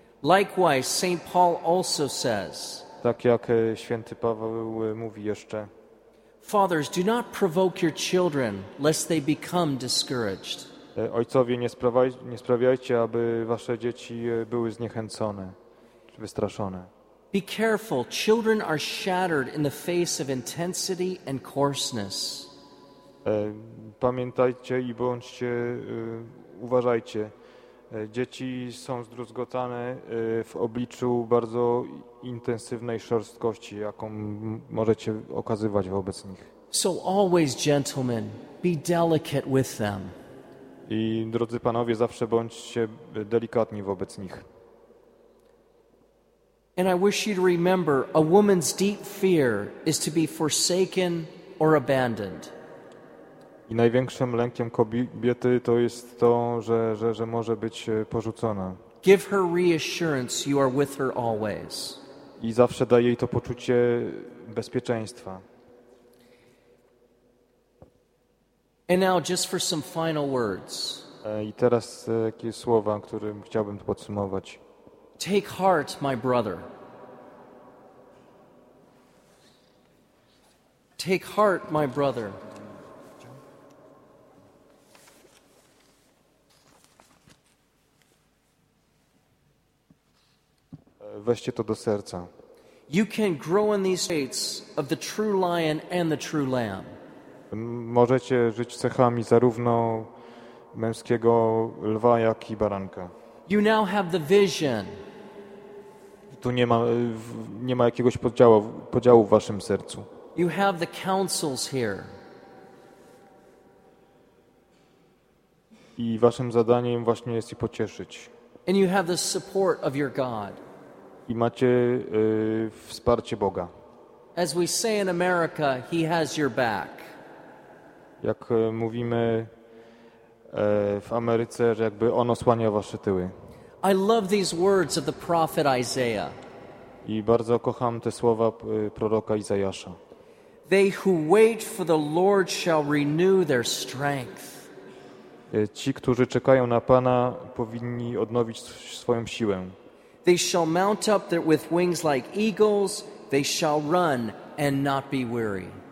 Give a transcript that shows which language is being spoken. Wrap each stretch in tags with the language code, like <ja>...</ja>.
<en>Likewise, Saint Paul also says.</en> <pl>Tak jak święty Paweł mówi jeszcze.</pl> <en>Fathers, do not provoke your children, lest they become discouraged.</en> <pl>Ojcowie, nie sprawiajcie, aby wasze dzieci były zniechęcone, czy wystraszone.</pl> <en>Be careful, children are shattered in the face of intensity and coarseness.</en> <pl>Pamiętajcie i bądźcie, uważajcie. Dzieci są zdruzgotane w obliczu bardzo intensywnej szorstkości, jaką możecie okazywać wobec nich.</pl> <en>So always, gentlemen, be delicate with them.</en> <pl>I drodzy panowie, zawsze bądźcie delikatni wobec nich.</pl> <en>And I wish you to remember, a woman's deep fear is to be forsaken or abandoned.</en> <pl>I największym lękiem kobiety to jest to, że może być porzucona.</pl> <en>Give her reassurance, you are with her always.</en> <pl>I zawsze daj jej to poczucie bezpieczeństwa.</pl> <en>And now just for some final words.</en> <pl>I teraz takie słowa, którym chciałbym podsumować.</pl> <en>Take heart, my brother. Take heart, my brother.</en> <pl>Weźcie to do serca.</pl> <en>You can grow in these traits of the true lion and the true lamb.</en> <pl>Możecie żyć cechami zarówno męskiego lwa, jak i baranka.</pl> <en>You now have the vision.</en> <pl>Tu nie ma jakiegoś podziału w waszym sercu.</pl> <en>You have the counsels here.</en> <pl>I waszym zadaniem właśnie jest i pocieszyć.</pl> <en>And you have the support of your God.</en> <pl>I macie wsparcie Boga.</pl> <en>As we say in America, he has your back.</en> <pl>Jak mówimy w Ameryce, że jakby on osłania wasze tyły.</pl> <en>I love these words of the prophet Isaiah.</en> <pl>I bardzo kocham te słowa proroka Izajasza.</pl> <en>They who wait for the Lord shall renew their strength.</en> <pl>Ci, którzy czekają na Pana, powinni odnowić swoją siłę.</pl> <en>They shall mount up with wings like eagles, they shall run and not be weary.</en>